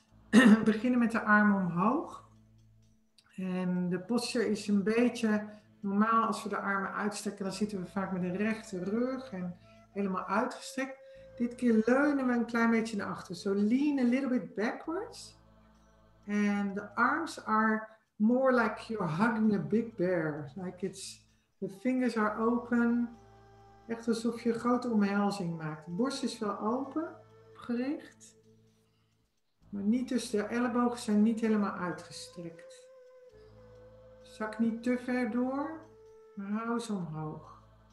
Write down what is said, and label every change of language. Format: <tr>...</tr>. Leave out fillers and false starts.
<nl>We beginnen met de armen omhoog. En de posture is een beetje normaal als we de armen uitstrekken. Dan zitten we vaak met een rechte rug en helemaal uitgestrekt. Dit keer leunen we een klein beetje naar achter.</nl> <en>So lean a little bit backwards. And the arms are more like you're hugging a big bear. Like it's, the fingers are open.</en> <nl>Echt alsof je een grote omhelzing maakt. De borst is wel open, opgericht. Maar niet tussen de ellebogen zijn niet helemaal uitgestrekt. Zak niet te ver door, maar hou ze omhoog.</nl>